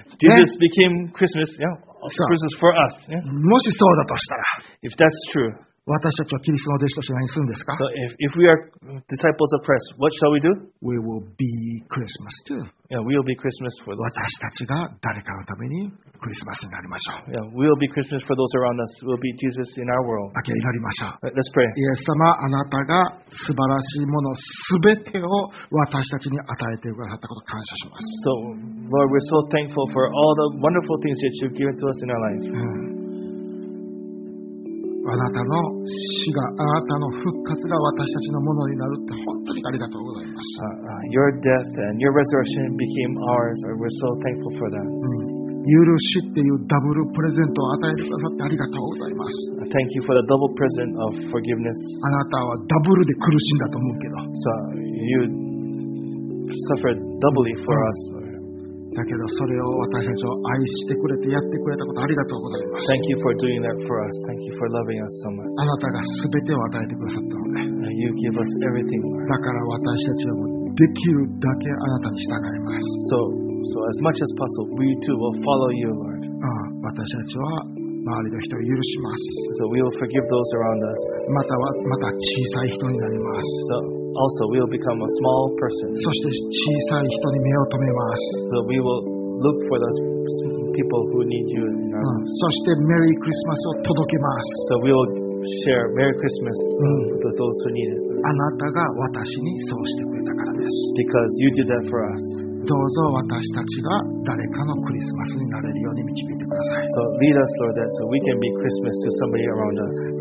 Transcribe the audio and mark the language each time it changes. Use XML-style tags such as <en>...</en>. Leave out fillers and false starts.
<en>Jesus became Christmas, Christmas for us.</en> <ja>もしそうだとしたら、</ja> <en>if that's true.</en> <ja>私たちはキリストの弟子として何するんですか?</ja> <en>So if we are disciples of Christ, what shall we do? We will be Christmas too. Yeah, we will be Christmas for those.</en> <ja>私たちが誰かのためにクリスマスになりましょう。</ja> <en>Yeah, we will be Christmas for those around us. We'll be Jesus in our world.</en> <ja>明け祈りましょう。</ja> <en>Let's pray.</en> <ja>イエス様、あなたが素晴らしいものすべてを私たちに与えてくださったことを感謝します。</ja> <en>So, Lord, we're so thankful for all the wonderful things that you've given to us in our life.</en> <ja>あなたの死が、あなたの復活が私たちのものになるって本当にありがとうございます。</ja> <en>Your death and your resurrection became ours. We're so thankful for that.</en> <ja>許しっていうダブルプレゼントを与えてくださってありがとうございます。</ja> <en>Thank you for the double present of forgiveness.</en> <ja>あなたはダブルで苦しんだと思うけど。</ja> <en>So you suffered doubly for us.</en> <ja>だけどそれを私たちを愛してくれてやってくれたことありがとうございます。</ja> <en>Thank you for doing that for us. Thank you for loving us so much.</en> <ja>あなたがすべてを与えてくださったので。</ja> <en>You give us everything.</en> <ja>だから私たちはできるだけあなたに従います。</ja> <en>So as much as possible, we too will follow you, Lord.</en> <ja>私たちは周りの人を許します。</ja> <en>So we will forgive those around us.</en> <ja>また小さい人になります。</ja> <en>So,Also, we will become a small person.</en> <ja>そして小さい人に目を留めます。</ja> <en>So we will look for the people who need you.</en> <ja>そしてメリークリスマスを届けます。</ja> <en>So we will share Merry Christmas with those who need it.</en> <ja>あなたが私にそうしてくれたからです。</ja> <en>Because you did that for us.</en> <ja>どうぞ私たちが誰かのクリスマスになれるように導いてください。</ja> <en>So lead us, Lord, that so we can be Christmas to somebody around us.</en>